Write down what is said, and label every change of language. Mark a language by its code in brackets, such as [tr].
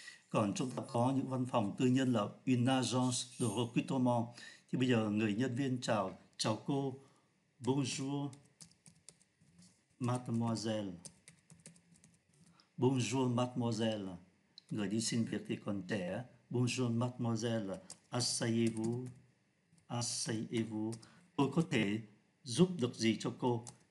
[vi] Còn chúng ta có những văn phòng tư nhân là [fr] une agence de recrutement. [vi] Thì bây giờ người nhân viên chào, chào cô, [fr] bonjour mademoiselle. Bonjour mademoiselle, [vi] người đi xin việc thì còn trẻ. [fr] Bonjour mademoiselle, asseyez-vous, asseyez-vous. [vi] Tôi có thể giúp được gì cho cô?